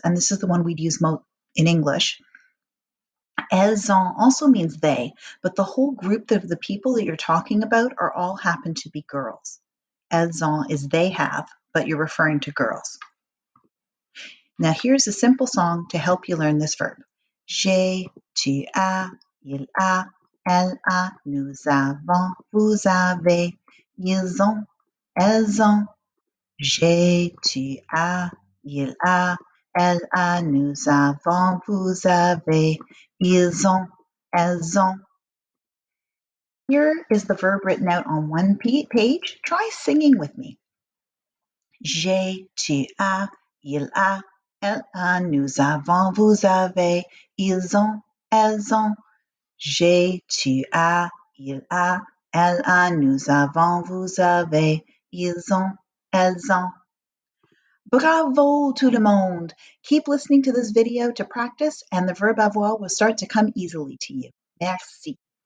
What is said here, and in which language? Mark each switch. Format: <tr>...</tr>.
<en>And this is the one we'd use most in English.</en> <fr>Elles ont</fr> <en>also means they, but the whole group of the people that you're talking about are all happen to be girls.</en> <fr>Elles ont</fr> <en>is they have, but you're referring to girls. Now here's a simple song to help you learn this verb.</en> <fr>J'ai, tu as, il a, elle a, nous avons, vous avez, ils ont, elles ont. J'ai, tu as, il a, elle a, nous avons, vous avez, ils ont, elles ont.</fr> <en>Here is the verb written out on one page. Try singing with me. J'ai, tu as, il a, elle a, nous avons, vous avez, ils ont, elles ont. J'ai, tu as, il a, elle a, nous avons, vous avez, ils ont, elles ont.</en> <fr>Bravo, tout le monde!</fr> <en>Keep listening to this video to practice, and the verb avoir will start to come easily to you.</en> <fr>Merci.</fr>